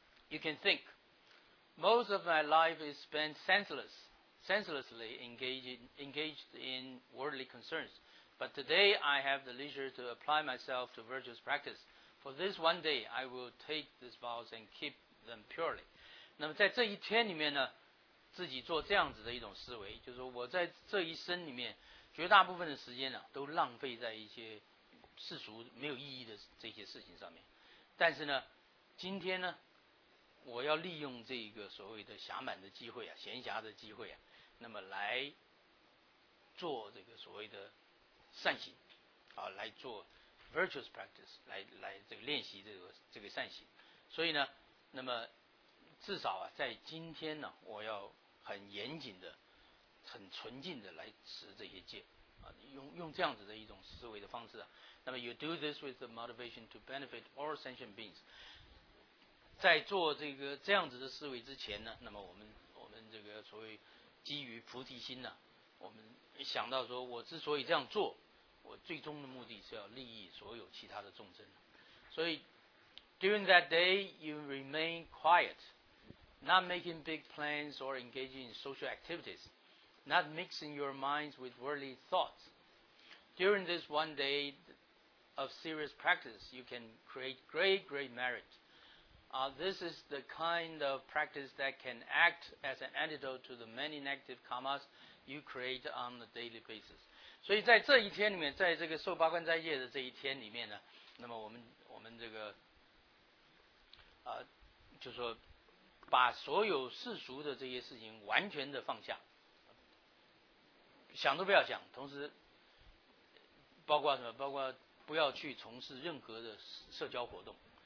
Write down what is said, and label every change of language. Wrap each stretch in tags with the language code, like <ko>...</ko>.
<en>You can think, most of my life is spent senselessly engaged in worldly concerns. But today I have the leisure to apply myself to virtuous practice. For this one day, I will take these vows and keep them purely.</en> <zh>那么在这一天里面呢，自己做这样子的一种思维，就是说我在这一生里面绝大部分的时间呢，啊，都浪费在一些世俗没有意义的这些事情上面。但是呢，今天呢，我要利用这个所谓的暇满的机会啊，闲暇的机会啊，那么来做这个所谓的善行啊，来做</zh> <en>virtuous practice，</en> <zh>来这个练习这个善行。所以呢，那么至少啊，在今天呢，我要很严谨的、很纯净的来持这些戒啊，用这样子的一种思维的方式啊。那么</zh> <en>you do this with the motivation to benefit all sentient beings。</en> <zh>在做这个这样子的思维之前呢，那么我们这个所谓基于菩提心呢、啊，我们想到说我之所以这样做，我最终的目的是要利益所有其他的众生。所以</zh> <en>during that day you remain quiet, not making big plans or engaging in social activities, not mixing your minds with worldly thoughts. During this one day of serious practice, you can create great merit. This is the kind of practice that can act as an antidote to the many negative karmas you create on a daily basis.</en> <zh>所以在这一天里面，在这个受八关斋戒的这一天里面呢，那么我们这个就说把所有世俗的这些事情完全的放下，想都不要想，同时包括什么，包括不要去从事任何的社交活动。</zh>